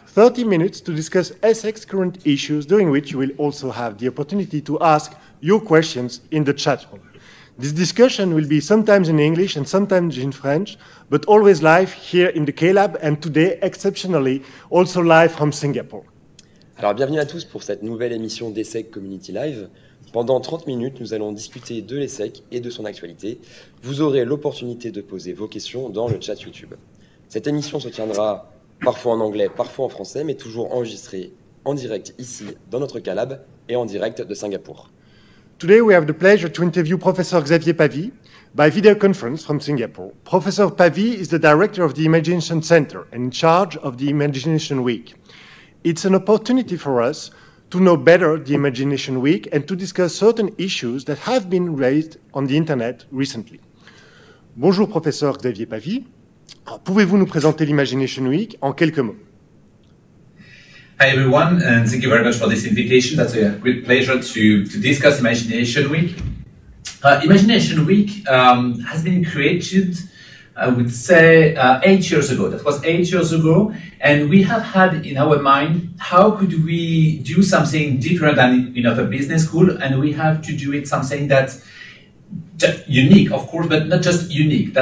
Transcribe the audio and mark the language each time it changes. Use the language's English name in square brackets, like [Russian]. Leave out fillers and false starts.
[English] 30 minutes to discuss ESSEC's current issues, during which you will also have the opportunity to ask your questions in the chat room. This discussion will be sometimes in English and sometimes in French, but always live here in the K-Lab, and today, exceptionally, also live from Singapore. [French] Alors, bienvenue à tous pour cette nouvelle émission d'ESSEC Community Live. Pendant 30 minutes, nous allons discuter de l'ESSEC et de son actualité. Vous aurez l'opportunité de poser vos questions dans le chat YouTube. Cette émission se tiendra parfois en anglais, parfois en français, mais toujours enregistrée en direct ici, dans notre K-Lab, et en direct de Singapour. [English] Today, we have the pleasure to interview Professor Xavier Pavie by video conference from Singapore. Professor Pavie is the director of the Imagination Center and in charge of the Imagination Week. It's an opportunity for us to know better the Imagination Week and to discuss certain issues that have been raised on the internet recently. [French] Bonjour, Professor Xavier Pavie. Pouvez-vous nous présenter l'Imagination Week en quelques mots? [English] Hi everyone, and thank you very much for this invitation. That's a great pleasure to discuss Imagination Week. Imagination Week has been created, I would say, 8 years ago. That was 8 years ago, and we have had in our mind how could we do something different than in other business school, and we have to do it something that's unique, of course, but not just unique.